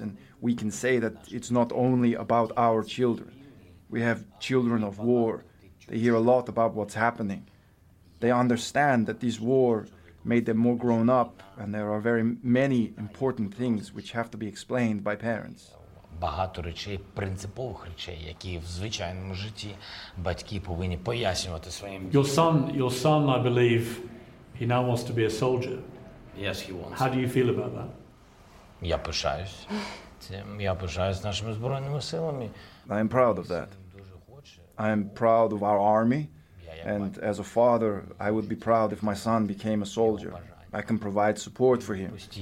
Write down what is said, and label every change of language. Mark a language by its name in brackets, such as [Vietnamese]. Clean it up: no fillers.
[English] And we can say that it's not only about our children. We have children of war. They hear a lot about what's happening. They understand that this war made them more grown up, and there are very many important things which have to be explained by parents. [Ukrainian] Багато речей, принципових речей, які в звичайному житті батьки повинні пояснювати своїм. [English] Your son, I believe, he now wants to be a soldier. Yes, he wants. How do you feel about that? [Ukrainian] Я пишаюсь цим. Я пишаюсь нашими збройними силами. [English] I am proud of that. I am proud of our army. And as a father, I would be proud if my son became a soldier. I can provide support for him.